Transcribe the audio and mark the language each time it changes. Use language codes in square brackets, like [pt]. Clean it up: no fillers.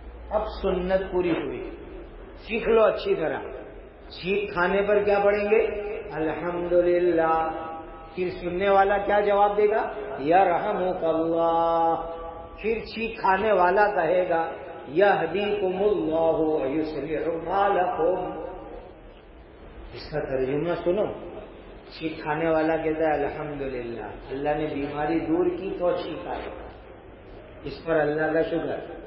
[ur] اب سنت پوری ہوئی، سیکھ لو اچھی طرح. چھینک کھانے پر کیا پڑھیں گے؟ الحمدللہ. پھر سننے والا کیا جواب دے گا؟ [ar] یرحمک اللہ. [ur] پھر چھینک کھانے والا کہے گا [ar] یہدیکم اللہ ویصلح بالکم. [ur] اس کا ترجمہ سنو، چھینک کھانے والا کہتا ہے الحمدللہ اللہ نے بیماری دور کی تو چھینکا اس پر اللہ کا شکر.